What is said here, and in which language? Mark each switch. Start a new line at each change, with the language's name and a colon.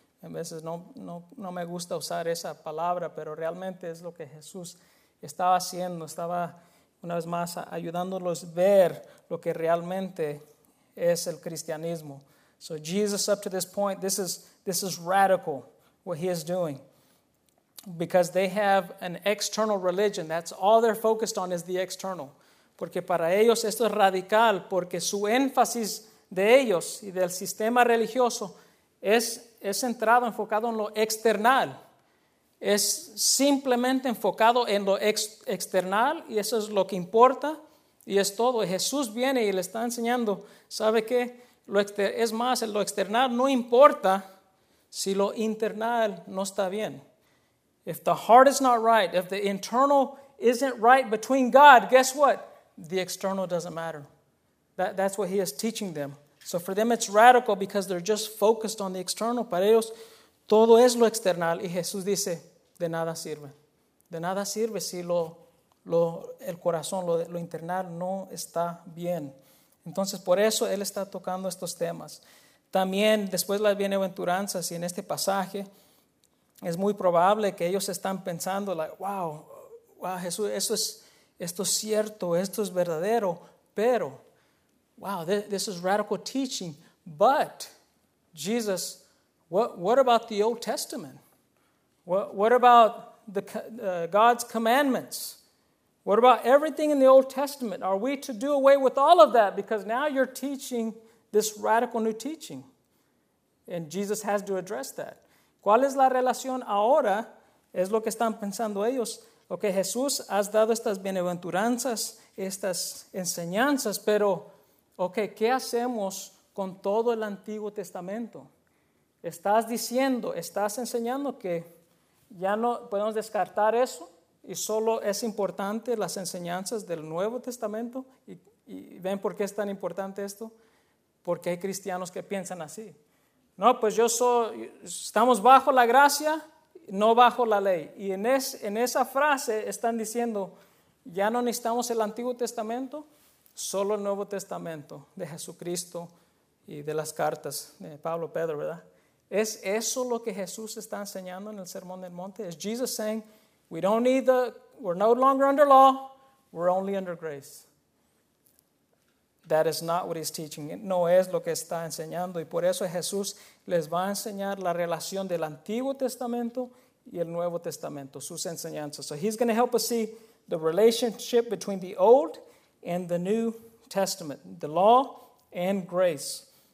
Spanish: En veces no me gusta usar esa palabra, pero realmente es lo que Jesús estaba haciendo. Estaba, una vez más, ayudándolos a ver lo que realmente es el cristianismo.
English: So Jesus, up to this point, this is radical, what he is doing. Because they have an external religion. That's all they're focused on is the external.
Spanish: Porque para ellos esto es radical. Porque su énfasis de ellos y del sistema religioso es centrado, enfocado en lo external. Es simplemente enfocado en lo external. Y eso es lo que importa. Y es todo. Y Jesús viene y le está enseñando. ¿Sabe qué? Es más, lo external no importa si lo internal no está bien.
English: If the heart is not right, if the internal isn't right between God, guess what? The external doesn't matter. That's what he is teaching them. So for them it's radical because they're just focused on the external.
Spanish: Para ellos todo es lo external. Y Jesús dice, de nada sirve. De nada sirve si el corazón, lo internal no está bien. Entonces por eso él está tocando estos temas. También después las bienaventuranzas y en este pasaje es muy probable que ellos están pensando, like, wow, Jesús, esto es cierto, esto es verdadero, pero,
English: wow, this is radical teaching. But, Jesus, what about the Old Testament? What about God's commandments? What about everything in the Old Testament? Are we to do away with all of that? Because now you're teaching this radical new teaching. And Jesus has to address that.
Spanish: ¿Cuál es la relación ahora? Es lo que están pensando ellos. Ok, Jesús, has dado estas bienaventuranzas, estas enseñanzas, pero, ok, ¿qué hacemos con todo el Antiguo Testamento? Estás diciendo, estás enseñando que ya no podemos descartar eso y solo es importante las enseñanzas del Nuevo Testamento. Y ven por qué es tan importante esto, porque hay cristianos que piensan así. No, pues estamos bajo la gracia, no bajo la ley. Y en esa frase están diciendo, Ya no necesitamos el Antiguo Testamento, solo el Nuevo Testamento de Jesucristo y de las cartas de Pablo, Pedro, ¿verdad? ¿Es eso lo que Jesús está enseñando en el Sermón del Monte?
English: Is Jesus saying, we don't need the, we're no longer under law, we're only under grace? That is not what he's teaching.
Spanish: No es lo que está enseñando. Y por eso Jesús les va a enseñar la relación del Antiguo Testamento y el Nuevo Testamento, sus enseñanzas.
English: So he's going to help us see the relationship between the Old and the New Testament, the law and grace.